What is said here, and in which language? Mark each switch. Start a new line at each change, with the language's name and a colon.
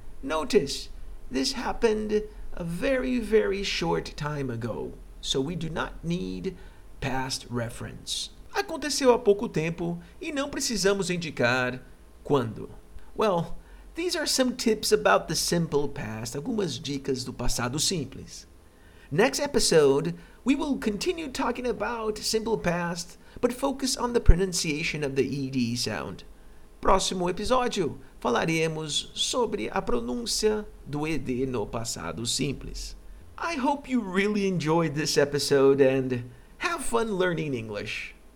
English: Notice, this happened a very, very short time ago. So we do not need past reference.
Portuguese: Aconteceu há pouco tempo e não precisamos indicar quando.
English: Well, these are some tips about the simple past.
Portuguese: Algumas dicas do passado simples.
English: Next episode, we will continue talking about simple past, but focus on the pronunciation of the ED sound.
Portuguese: Próximo episódio, falaremos sobre a pronúncia do ED no passado simples.
English: I hope you really enjoyed this episode and have fun learning English.